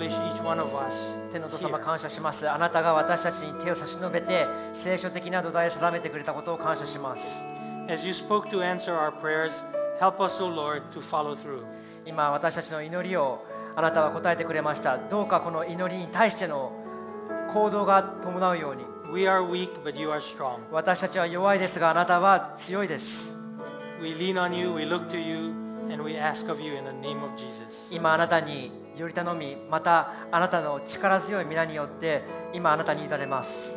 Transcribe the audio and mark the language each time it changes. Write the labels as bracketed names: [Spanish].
[Japanese] あなたが私たちに手を差し伸べて聖書的な土台を定めてくれたことを感謝します。 [English] As you spoke to answer our prayers, help us, O Lord, to follow through. [Japanese] 今私たちの祈りをあなたは答えてくれました。どうかこの祈りに対しての行動が伴うように。 [English] We are weak, but you are strong. [Japanese] 私たちは弱いですがあなたは強いです。 [English] We lean on you, we look to you, and we ask of you in the name of Jesus. [Japanese] 今あなたによりたのみ、またあなたの力強い皆によって今あなたに委ねます。